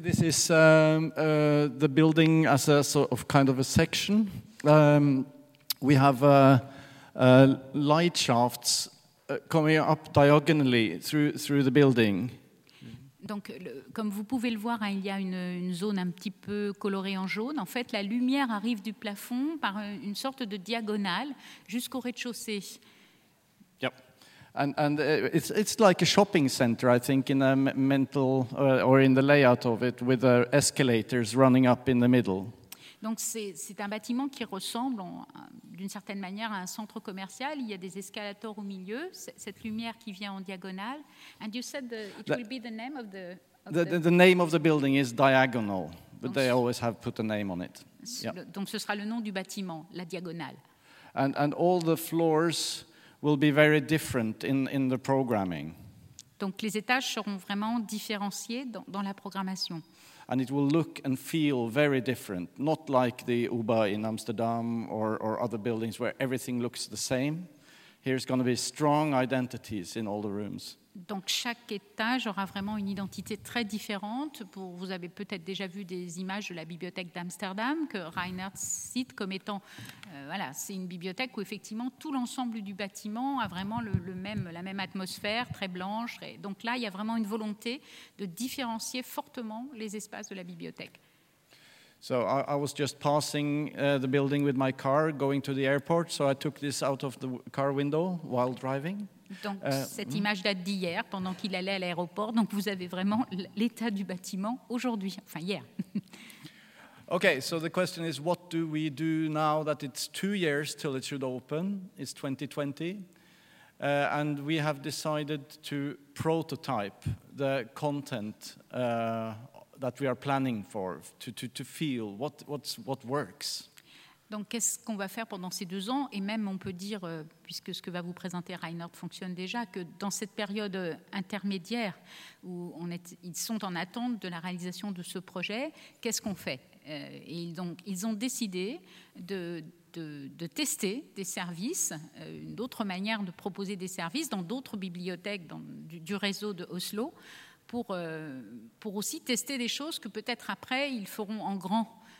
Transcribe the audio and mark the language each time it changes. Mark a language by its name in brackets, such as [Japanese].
[English] So this is the building as a sort of kind of a section. We have light shafts coming up diagonally through the building. [French] Donc, comme vous pouvez le voir, il y a une zone un petit peu colorée en jaune. En fait, la lumière arrive du plafond par une sorte de diagonale jusqu'au rez-de-chaussée. [English] And it's like a shopping center, I think, in a mental or in the layout of it, with escalators running up in the middle. [French] Donc c'est un bâtiment qui ressemble d'une certaine manière à un centre commercial. Il y a des escalators au milieu. Cette lumière qui vient en diagonale. [English] And you said will be the name of the name of the building is Diagonal, but they always have put a name on it. [French] Donc ce sera le nom du bâtiment, la diagonale. [English] And all the floors will be very different in the programming. [French] Donc les étages seront vraiment différenciés dans la programmation. [English] And it will look and feel very different, not like the UBA in Amsterdam or other buildings where everything looks the same. Here's going to be strong identities in all the rooms. [French] Donc chaque étage aura vraiment une identité très différente. Vous avez peut-être déjà vu des images de la bibliothèque d'Amsterdam que Reinhardt cite comme étant, c'est une bibliothèque où effectivement tout l'ensemble du bâtiment a vraiment la même atmosphère, très blanche. Et donc là, il y a vraiment une volonté de différencier fortement les espaces de la bibliothèque. [English] So I was just passing the building with my car, going to the airport, so I took this out of the car window while driving. [French] Donc cette image date d'hier, pendant qu'il allait à l'aéroport, donc vous avez vraiment l'état du bâtiment aujourd'hui, enfin hier. [English] Okay, so the question is, what do we do now that it's 2 years till it should open? It's 2020. And we have decided to prototype the content that we are planning for, to feel what works. [French] Donc, qu'est-ce qu'on va faire pendant ces 2 ans? Et même, on peut dire, puisque ce que va vous présenter Reinhardt fonctionne déjà, que dans cette période intermédiaire où ils sont en attente de la réalisation de ce projet, qu'est-ce qu'on fait? Et donc, ils ont décidé de tester des services, une autre manière de proposer des services dans d'autres bibliothèques du réseau de Oslo, pour aussi tester des choses que peut-être après, ils feront en grand.